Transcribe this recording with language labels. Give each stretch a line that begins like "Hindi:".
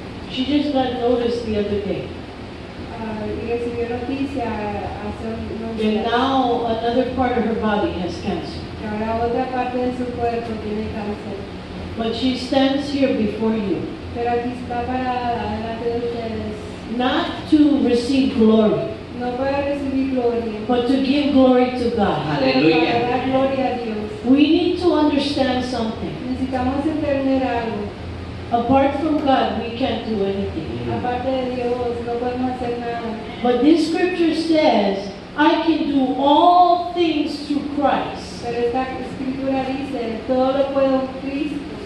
English: She just got notice the other day.
Spanish: Recibió noticia hace unos días.
English: And now another part of her body has cancer.
Spanish: Ahora otra parte de su cuerpo tiene cáncer.
English: But she stands here before you.
Spanish: Pero aquí está parada delante de ustedes.
English: Not to receive glory.
Spanish: No para recibir gloria.
English: But to give glory to God. Hallelujah. We need to understand something.
Spanish: Necesitamos entender algo.
English: Apart from God, we can't do anything.
Spanish: Aparte de Dios, no podemos hacer nada.
English: But this scripture says, I can do all things through Christ.
Spanish: Pero esta escritura dice, todo lo puedo en Cristo.